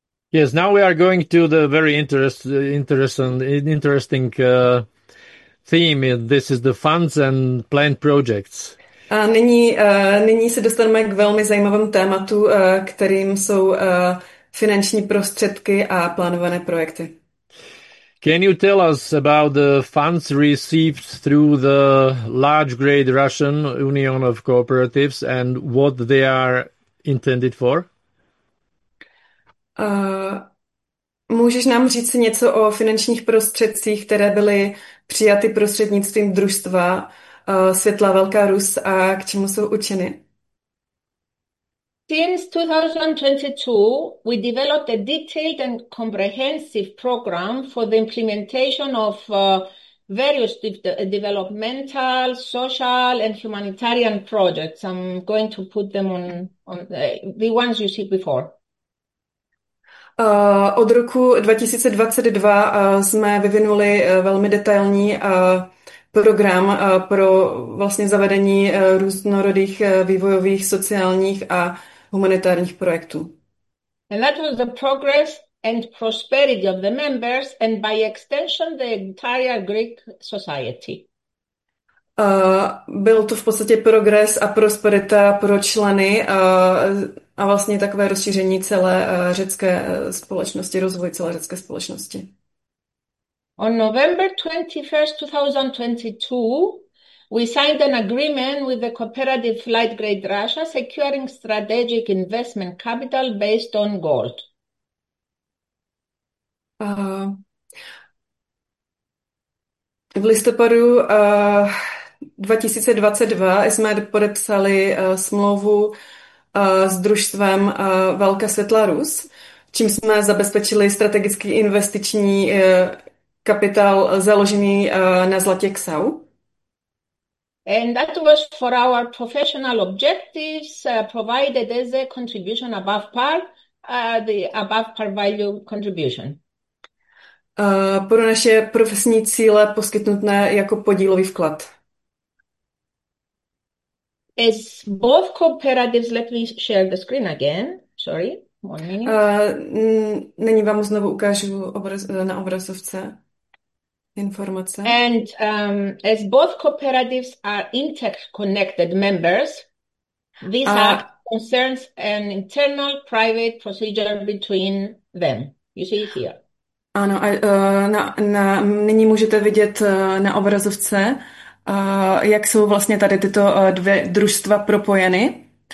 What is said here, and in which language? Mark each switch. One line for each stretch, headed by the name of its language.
English: Yes, now we are going to the very interesting theme. This is the funds and planned projects.
Czech: A nyní se dostaneme k velmi zajímavému tématu, kterým jsou finanční prostředky a plánované projekty.
English: Can you tell us about the funds received through the large great Russian Union of Cooperatives and what they are intended for?
Czech: Můžeš nám říct něco o finančních prostředcích, které byly přijaty prostřednictvím družstva Světla Velká Rus a k čemu jsou učeny?
English: Since 2022, we developed a detailed and comprehensive program for the implementation of various developmental, social and humanitarian projects. I'm going to put them on the ones you see before.
Czech: Od roku 2022 jsme vyvinuli velmi detailní program pro vlastně zavedení různorodých vývojových, sociálních a humanitárních projektů.
English: And that was the progress and prosperity of the members and by extension the entire Greek society.
Czech: Byl to v podstatě progres a prosperita pro členy a vlastně takové rozšíření celé řecké společnosti, rozvoj celé řecké společnosti.
English: On November 21st, 2022, we signed an agreement with the cooperative Light Great Russia securing strategic investment capital based on gold.
Czech: V listopadu 2022 jsme podepsali smlouvu s družstvem Velká Světla Rus, čím jsme zabezpečili strategický investiční kapitál založený na zlatě XAU.
English: And that was for our professional objectives provided as a contribution above par, the above par value contribution.
Czech: Pro naše profesní cíle poskytnuté jako podílový vklad.
English: Is both cooperatives, let me share the screen again. Sorry, one minute.
Czech: Nyní vám znovu ukážu na obrazovce informace.
English: And as both cooperatives are interconnected members, these are
Czech: A
English: concerns an internal private procedure between them. You see here.
Czech: ano, nyní můžete vidět na obrazovce, jak jsou vlastně tady tyto dvě družstva propojeny.